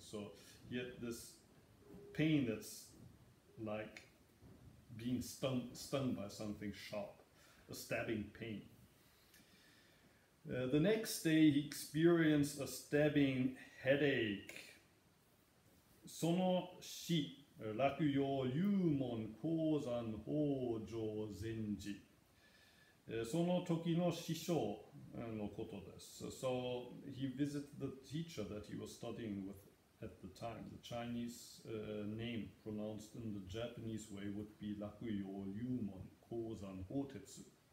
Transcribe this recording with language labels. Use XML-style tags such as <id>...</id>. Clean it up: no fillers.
<en>So he had this pain that's like being stung by something sharp, a stabbing pain. The next day, he experienced a stabbing headache.</en> <ja>その死、落葉幽門鉱山北条禅師。その時の師匠のことです。</ja> <en>So he visited the teacher that he was studying with at the time. The Chinese name pronounced in the Japanese way would be 落葉幽門鉱山北条。</en>